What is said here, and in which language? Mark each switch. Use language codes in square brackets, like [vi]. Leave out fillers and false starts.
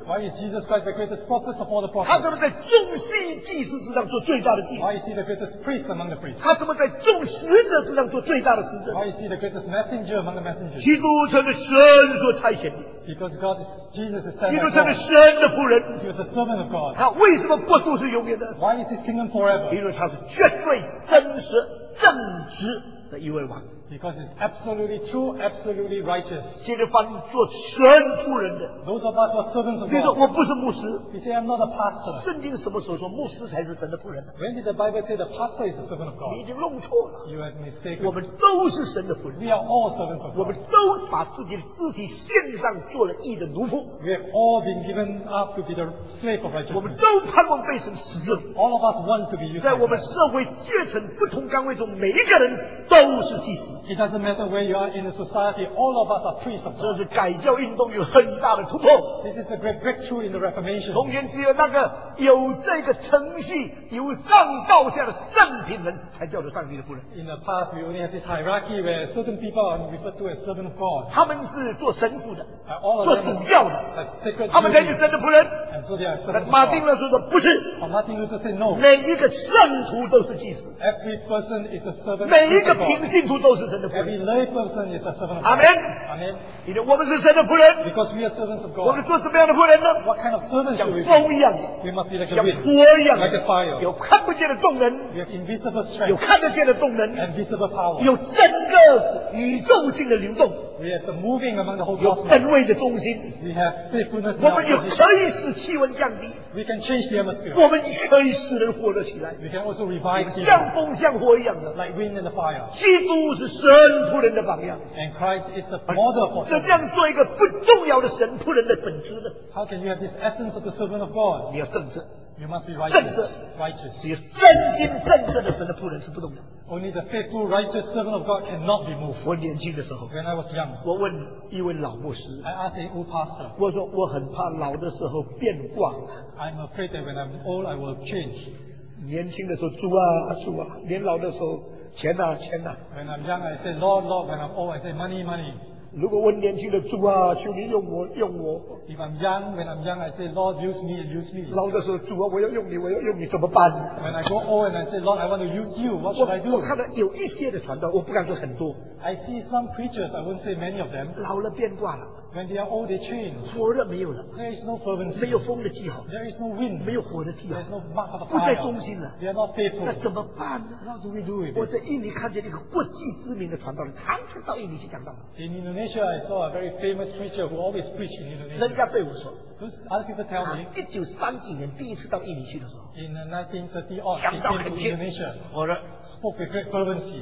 [en] Why is Jesus Christ the greatest prophet of all the prophets? [zh] 他怎么在众信祭司之上做最大的祭司? [en] Why is he the greatest priest among the priests? [zh] 他怎么在众使者之上做最大的使者? [en] Why is he the greatest messenger among the messengers? [zh] 基督成了神所差遣的。 [en] Because God is Jesus is sent of God. He was a servant of God. [zh] 他为什么国度是永远的? [en] Why is this kingdom forever? [zh] 因为他是绝对真实正直的一位王。 [en] Because it's absolutely true, absolutely righteous. [zh] 现在凡做全仆人的, [en] those of us who are servants of God. [zh] 你说我不是牧师, [en] you say I'm not a pastor. [zh] 圣经什么时候说牧师才是神的仆人的? [en] When did the Bible say the pastor is the servant of God? [zh] 你已经弄错了, [en] you have mistaken. [zh] 我们都是神的仆人, [en] we are all servants of God. [zh] 我们都把自己的肢体献上做了义的奴仆, [en] we have all been given up to be the slave of righteousness. [zh] 我们都盼望被神使用, [en] all of us want to be used. [zh] 在我们社会阶层不同岗位中, 每一个人都是祭司。 [en] It doesn't matter where you are in the society, all of us are priests of God. [zh] 这是改教运动有很大的突破。 [en] This is a great breakthrough in the Reformation. [zh] 从前只有那个有这个程序由上到下的圣品人才叫做上帝的仆人。 [en] In the past, we only have this hierarchy where certain people are referred to as servant of God. [zh] 他们是做神父的, [en] all of them [zh] 做主要的, [en] have sacred duty, [zh] 他们才是神的仆人。 [en] And so they are servants of God. [zh] 马丁路说不是, [en] but Martin Luther said no. [zh] 每一个圣徒都是祭司。 [en] Every person is a servant of God. [zh] 每一个平信徒 [en] Every lay person is a servant of God. Amen. Amen. [zh] 因为我们是神的仆人, [en] because we are servants of God. [zh] 我们做什么样的仆人呢? [en] What kind of servants should we be? [zh] 像风一样, [en] we must be like a wind. [zh] 像火一样, [en] like a fire. [zh] 有看不见的动能, [en] we have invisible strength. [zh] 有看得见的动能, [en] and visible power. [zh] 有整个宇宙性的流动, [en] we have the moving among the whole cosmos. [zh] 有恩惠的中心, [en] we have faithfulness. [zh] 我们有可以使气温降低, [en] we can change the atmosphere. [zh] 我们可以使人活得起来, [en] we can also revive people. [zh] 像风像火一样的, [en] like wind and the fire. [zh] 基督是神仆人的榜样, [en] and Christ is the model for. [zh] 怎样做一个不重要的神仆人的本质呢? [en] How can you have this essence of the servant of God? [zh] 你要正直, [en] You must be righteous. [zh] 只有真心正直的神的仆人是不动的。 [en] Only the faithful, righteous servant of God cannot be moved. [zh] 我年轻的时候, [en] when I was young, [zh] 我问一位老牧师, [en] I asked an old pastor, [zh] 我说我很怕老的时候变卦, [en] I'm afraid that when I'm old, I will change. [zh] 年轻的时候,主啊,主啊, 年老的时候,钱啊,钱啊, [en] when I'm young, I say, Lord, Lord, when I'm old, I say, money, money. [zh] 如果问年轻的主啊，求你用我。 [en] If I'm young, when I'm young, I say, Lord, use me and use me. [zh] 老的时候，主啊，我要用你，我要用你，怎么办？ [en] When I go old and I say, Lord, I want to use you, what should I do? [zh] 我看到有一些的传道，我不敢说很多。 [en] I see some preachers, I won't say many of them. [zh] 老了变卦了。 [en] When they are old, they change. [zh] 火热没有了。 [en] There is no fervency. [zh] 没有风的记号。 [en] There is no wind. [zh] 没有火的记号。 [en] There is no mark of the fire. [zh] 不再忠心了。 [en] They are not faithful. [zh] 那怎么办呢？ [en] How do we do it? [zh] 我在印尼看见一个国际知名的传道人，常常到印尼去讲道。 [en] In Indonesia, I saw a very famous preacher who always preach in Indonesia. [zh] 人家对我说。 [en] Other people tell me, [zh] 1930年第一次到印尼去的时候, [en] in 1930 odd, spoke with great fervency.